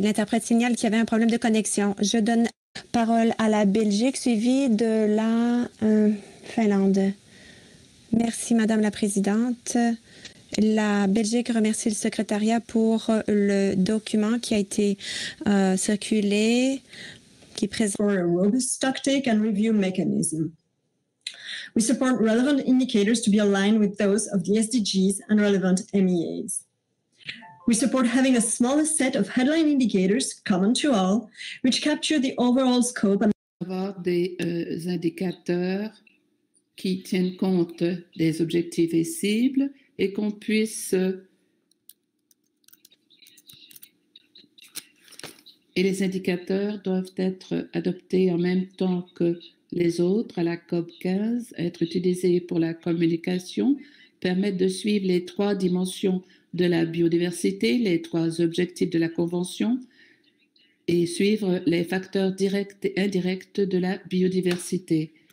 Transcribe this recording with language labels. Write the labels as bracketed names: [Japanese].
[French] L'interprète signale qu'il y avait un problème de connexion. Je donne parole à la Belgique, suivie de la Finlande. Merci, Madame la Présidente. La Belgique remercie le secrétariat pour le document qui a été circulé, qui présente... [English] ...for a robust stocktake and review mechanism. We support relevant indicators to be aligned with those of the SDGs and relevant MEAs. We support having a smaller set of headline indicators common to all, which capture the overall scope and... [French] ...avoir des indicateurs qui tiennent compte des objectifs et cibles, et qu'on puisse... Et les indicateurs doivent être adoptés en même temps que les autres à la COP15, être utilisés pour la communication, permettre de suivre les trois dimensions de la biodiversité, les trois objectifs de la Convention, et suivre les facteurs directs et indirects de la biodiversité.